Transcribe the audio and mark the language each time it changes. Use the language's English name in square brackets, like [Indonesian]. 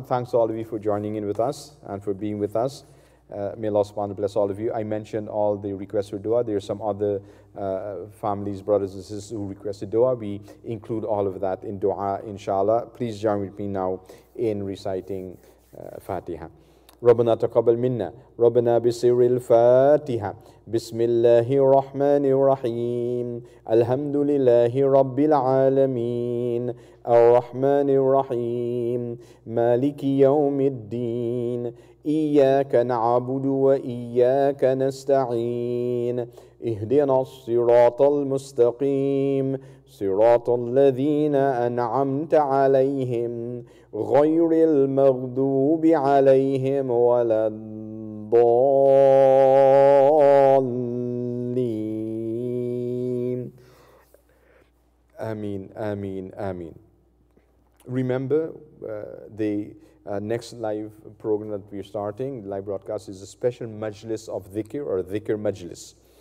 [English] Thanks to all of you for joining in with us and for being with us. May Allah subhanahu wa ta'ala bless all of you. I mentioned all the requests for dua. There are some other families, brothers and sisters who requested dua. We include all of that in dua, inshallah. Please join with me now in reciting Fatiha. [Arabic] ربنا تقبل منا ربنا بسر الفاتحة بسم الله الرحمن الرحيم الحمد لله رب العالمين الرحمن الرحيم مالك يوم الدين إياك نعبد وإياك نستعين اهدنا الصراط المستقيم صراط الذين أنعمت عليهم غير المغضوب عليهم ولا الضالين آمين آمين آمين. [English] Remember, the next live program that we're starting, live broadcast, is a special majlis of dhikr, or dhikr majlis.